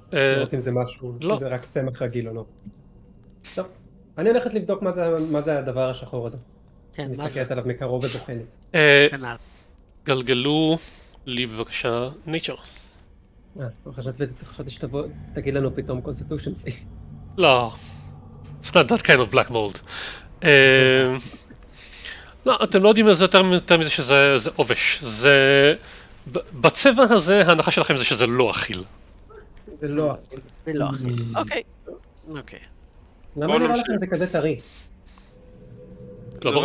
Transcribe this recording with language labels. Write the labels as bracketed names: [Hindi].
[Hebrew] לראות אם זה משהו, אם זה רק צמח רגיל או לא. טוב, אני הולכת לבדוק מה זה הדבר השחור הזה. מסתכלת עליו מקרוב ובוחנת. גלגלו לי בבקשה נייצ'ר. חשבתי שתגיד לנו פתאום קונסטיטושן סי. לא, [English] it's not that kind of black mold. [Hebrew] לא, אתם לא יודעים על זה יותר מזה שזה עובש. זה... בצבע הזה, ההנחה שלכם זה שזה לא אכיל. זה לא אכיל. זה לא אכיל. אוקיי. למה נראה לכם זה כזה טרי? לא ברור.